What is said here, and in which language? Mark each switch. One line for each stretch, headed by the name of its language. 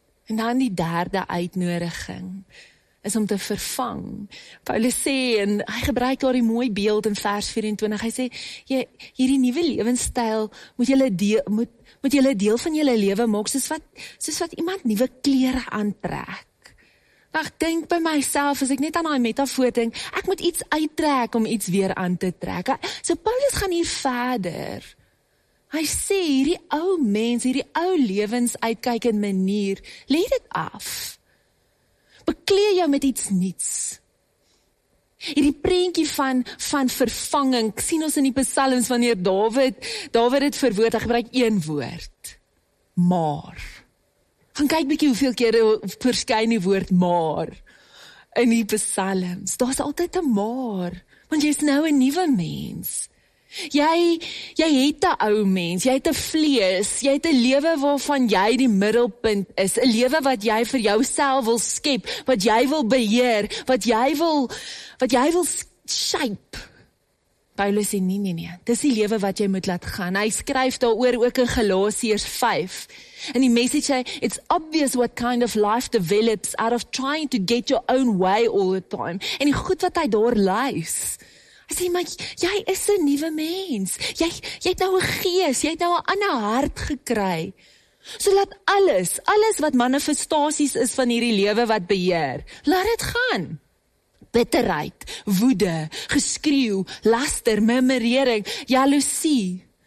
Afrikaans: En dan die derde uitnodiging is om te vervang. Paulus sê, en hy gebruik daar die mooi beeld in vers 24, hy sê, hierdie nuwe lewenstyl moet julle deel van julle lewe maak, soos wat iemand nuwe klere aantrek. Nou, ek dink by myself, as ek net aan die metafoor dink, ek moet iets uittrek om iets weer aan te trek. So Paulus gaan hier verder. Hy sê, hierdie ou mens, hierdie ou lewensuitkyk en manier, lê dit af. Beklee jou met iets niets. Hierdie prentjie van vervanging, sien ons in die psalms wanneer David het verwoord, hy gebruik een woord. Maar. Gaan kyk bietjie hoeveel keer verskyn die woord maar in die psalms. Daar's altyd 'n maar, want jy's nou 'n nuwe mens. Jy het 'n ou mens, jy het 'n vlees, jy het 'n lewe waarvan jy die middelpunt is, 'n lewe wat jy vir jouself wil skep, wat jy wil beheer, wat jy wil shape. Paulus sê nee, dis die lewe wat jy moet laat gaan. Hy skryf daaroor ook in Galasiërs 5. En die
English: message
Afrikaans: hy,
English: it's obvious what kind of life develops out of trying to get your own way all the time.
Afrikaans: En die goed wat hy daar lys. Hy sê, maar jy is 'n nuwe mens. Jy het nou 'n gees, jy het nou 'n ander hart gekry. So laat alles wat manifestasies is van hierdie lewe wat beheer, laat dit gaan. Bitterheid, woede, geskreeuw, laster, murmurering, jaloesie.